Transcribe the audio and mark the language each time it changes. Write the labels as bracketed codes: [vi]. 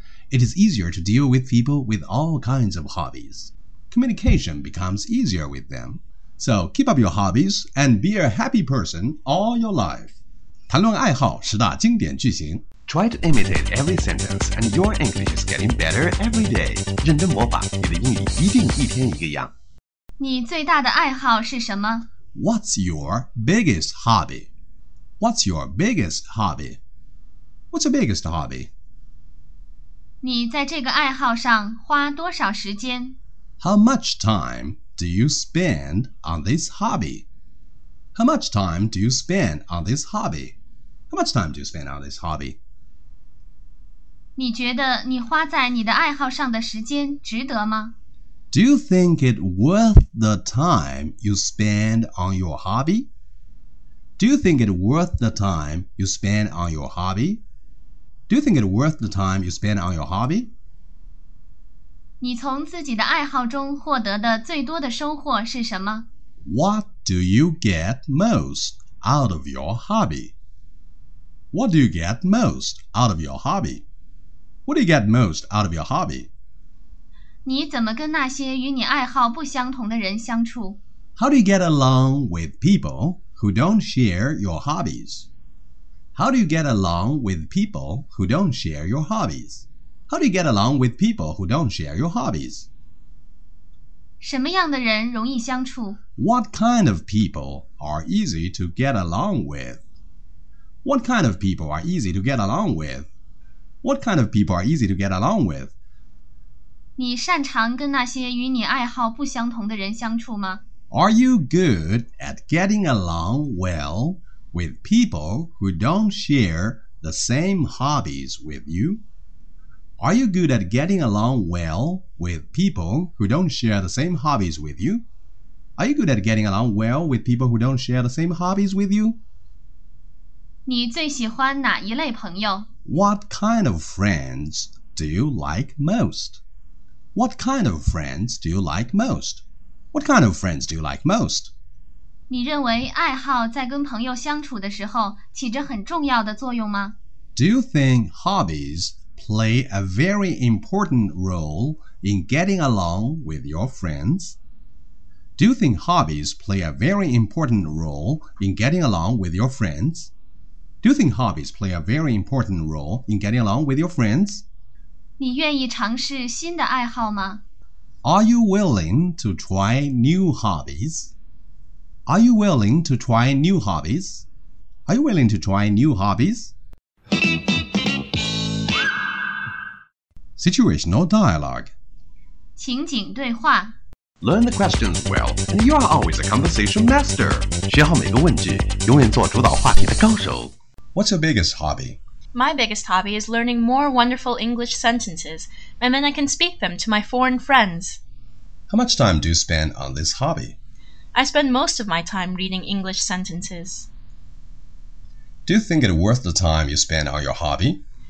[en] It is easier to deal with people with all kinds of hobbies. Communication becomes easier with them. So keep up your hobbies and be a happy person all your life. [zh] 谈论爱好十大经典句型。 [en] Try to imitate every sentence, and your English is getting better every day. [zh] 认真模仿，你的英语一定一天一个样。你最大的爱好是什么？ [en] What's your biggest hobby? What's your biggest hobby? What's your biggest hobby? [zh] 你在这个爱好上花多少时间？ [en] How much time do you spend on this hobby? How much time do you spend on this hobby? How much time do you spend on this hobby? [zh] 你觉得你花在你的爱好上的时间值得吗？ [en] Do you think it worth the time you spend on your hobby? Do you think it worth the time you spend on your hobby? Do you think it worth the time you spend on your hobby? [zh] 你从自己的爱好中获得的最多的收获是什么？ [en] What do you get most out of your hobby? What do you get most out of your hobby? What do you get most out of your hobby? [zh] 你怎么跟那些与你爱好不相同的人相处？ [en] How do you get along with people who don't share your hobbies? How do you get along with people who don't share your hobbies? How do you get along with people who don't share your hobbies? [zh] 什么样的人容易相处？ [en] What kind of people are easy to get along with? What kind of people are easy to get along with? What kind of people are easy to get along with? [zh] 你擅长跟那些与你爱好不相同的人相处吗？ [en] Are you good at getting along well with people who don't share the same hobbies with you? Are you good at getting along well with people who don't share the same hobbies with you? Are you good at getting along well with people who don't share the same hobbies with you? [zh] 你最喜欢哪一类朋友？ [en] What kind of friends do you like most? What kind of friends do you like most? What kind of friends do you like most? [zh] 你认为爱好在跟朋友相处的时候起着很重要的作用吗？ [en] Do you think hobbies play a very important role in getting along with your friends? Do you think hobbies play a very important role in getting along with your friends? Do you think hobbies play a very important role in getting along with your friends? [zh] 你愿意尝试新的爱好吗？ [en] Are you willing to try new hobbies? Are you willing to try new hobbies? Are you willing to try new hobbies? Situational dialogue. [zh] 情景对话。 [en] Learn the questions well, and you are always a conversation master. [zh] 学好每个问句，永远做主导话题的高手。 [en] What's your biggest hobby? My biggest hobby is learning more wonderful English sentences, and then I can speak them to my foreign friends. How much time do you spend on this hobby? I spend most of my time reading English sentences. Do you think it's worth the time you spend on your hobby?